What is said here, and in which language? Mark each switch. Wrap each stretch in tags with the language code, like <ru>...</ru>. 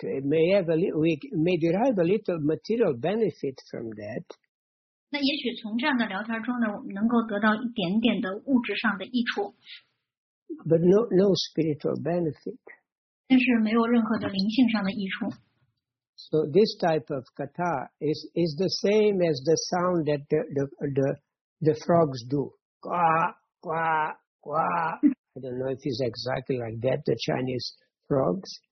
<en>We may derive a little material benefit from that.</en> <zh>那也许从这样的聊天中呢，我们能够得到一点点的物质上的益处。</zh> <en>But no spiritual benefit.</en> <zh>但是没有任何的灵性上的益处。</zh> <en>So this type of katha is the same as the sound that the frogs do. Quack, quack, quack. I don't know if it's exactly like that, the Chinese frogs.</en>